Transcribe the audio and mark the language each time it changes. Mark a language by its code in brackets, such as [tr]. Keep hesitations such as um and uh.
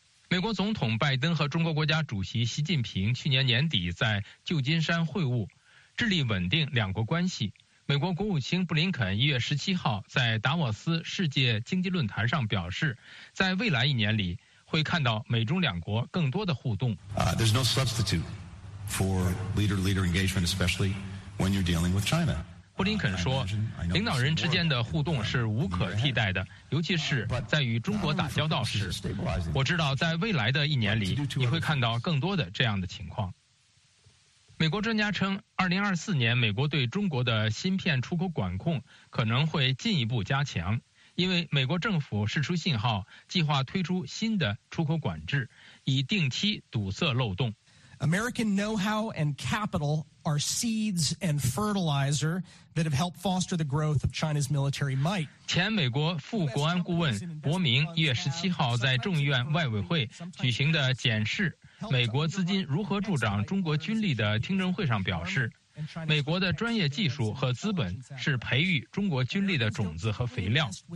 [zh] 美国总统拜登和中国国家主席习近平去年年底在旧金山会晤，致力稳定两国关系。美国国务卿布林肯一月十七号在达沃斯世界经济论坛上表示，在未来一年里会看到美中两国更多的互动。 [en] Uh, There's no substitute for leader leader engagement, especially when you're dealing with China. [zh] 布林肯说，领导人之间的互动是无可替代的，尤其是在与中国打交道时。 Uh, but, 我知道在未来的一年里，uh, 你会看到更多的这样的情况。美国专家称，二零二四年美国对中国的芯片出口管控可能会进一步加强，因为美国政府释出信号，计划推出新的出口管制，以定期堵塞漏洞。 [en] American know-how and capital are seeds and fertilizer that have helped foster the growth of China's military might. [zh] 前美国副国安顾问伯明一月十七号在众议院外委会举行的检视美国资金如何助长中国军力的听证会上表示，美国的专业技术和资本是培育中国军力的种子和肥料。